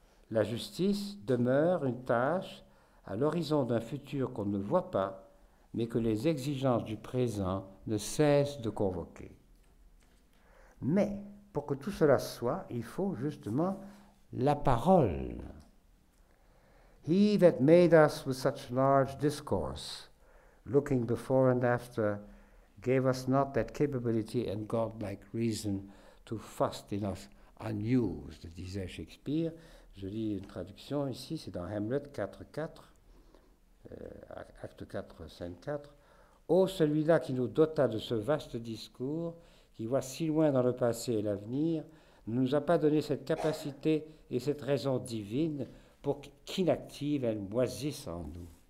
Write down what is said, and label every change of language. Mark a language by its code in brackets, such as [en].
[fr] La justice demeure une tâche à l'horizon d'un futur qu'on ne voit pas, mais que les exigences du présent ne cessent de convoquer. Mais pour que tout cela soit, il faut justement la parole. [en] He that made us with such large discourse, looking before and after, gave us not that capability and godlike reason to fast in us unused, [fr] disait Shakespeare. Je lis une traduction ici, c'est dans Hamlet 4.4, acte 4, scène 4. Ô celui-là qui nous dota de ce vaste discours, qui voit si loin dans le passé et l'avenir, ne nous a pas donné cette capacité et cette raison divine pour qu'inactive elle moisisse en nous.